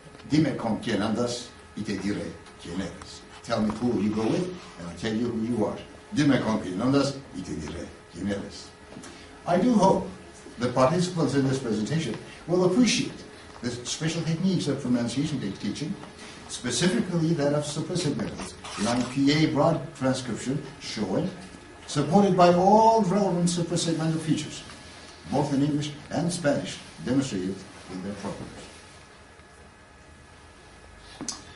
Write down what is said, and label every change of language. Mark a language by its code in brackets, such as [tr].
[es] Dime con quién andas y te diré quién eres. [en] Tell me who you go with and I'll tell you who you are. [es] Dime con quién andas y te diré quién eres. [en] I do hope the participants in this presentation will appreciate the special techniques of pronunciation teaching, specifically that of suprasegmentals, the IPA broad transcription showing, supported by all relevant suprasegmental features, both in English and Spanish, demonstrated in their programs.